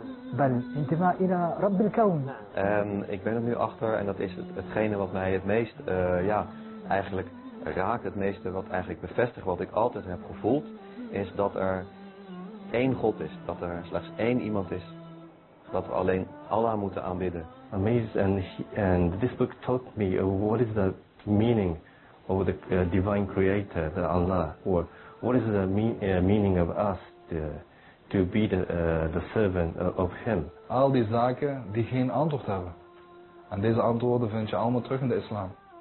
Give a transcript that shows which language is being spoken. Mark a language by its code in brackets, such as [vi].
[nl] Ik ben er nu achter, en dat is hetgene wat mij het meest eigenlijk raakt, het meeste wat eigenlijk bevestigt, wat ik altijd heb gevoeld, is dat er één God is, dat er slechts één iemand is, dat we alleen Allah moeten aanbidden. [en] Amazed, and this book taught me what is the meaning of the divine creator, the Allah, or what is the meaning of us to be the servant of him. [nl] Al die zaken die geen antwoord hebben. En deze antwoorden vind je allemaal terug in de islam.